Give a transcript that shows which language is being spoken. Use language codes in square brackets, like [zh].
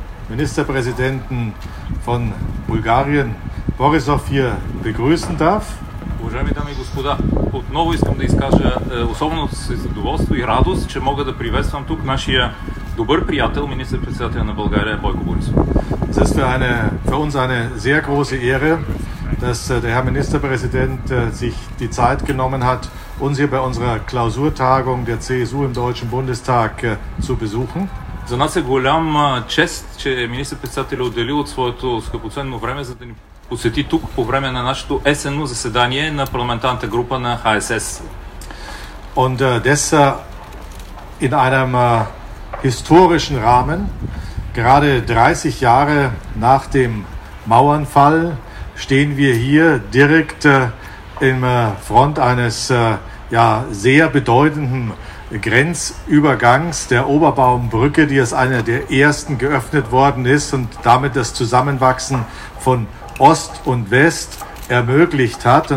[bg] Министър-президентен от България Борисов я [de] begrüßen darf. [bg] Уважаеми дами и господа, отново искам да изкажа особено задоволство и радост, че мога да приветствам тук нашия добър приятел, министър-председател на България Бойко Борисов. [de] Das ist für uns eine sehr große Ehre, dass der Herr Ministerpräsident sich die Zeit genommen hat, uns hier bei unserer Klausurtagung der CSU im Deutschen Bundestag zu besuchen. [bg] За нас е голяма чест, че министър-председателят отделил от своето скъпоценно време, за да ни посети тук по време на нашето есенно заседание на парламентарната група на ХСС. [de] Und das in einem historischen Rahmen, gerade 30 Jahre nach dem Mauernfall, stehen wir hier direkt im Front eines sehr bedeutenden Grenzübergangs der Oberbaumbrücke, die als eine der ersten geöffnet worden ist und damit das Zusammenwachsen von Ost und West ermöglicht hat.